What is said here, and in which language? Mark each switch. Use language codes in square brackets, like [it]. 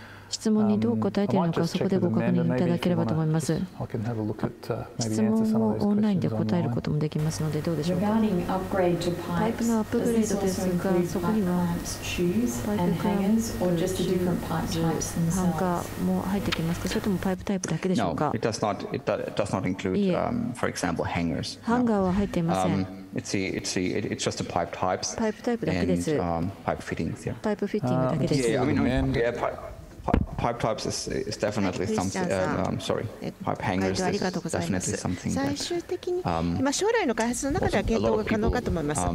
[ja] 質問にどう答えているのか、そこでご確認いただければと思います。質問をオンラインで答えることもできますので、どうでしょうか。パイプのアップグレードですが、そこにはパイプクランプ、ハンガーも入ってきますか、それともパイプタイプだけでしょうか。 [en] No, it does not include, for example, hangers. [ja] ハンガーは入っていません。 [en] It's just a pipe types. [ja] パイプタイプだけです。 [en] And, pipe fittings, yeah. [ja] パイプフィッティングだけです。 [en] Pipe types is definitely something. Sorry, pipe hangers is definitely something that. [ja] 最終的に、将来の開発の中では検討が可能かと思います。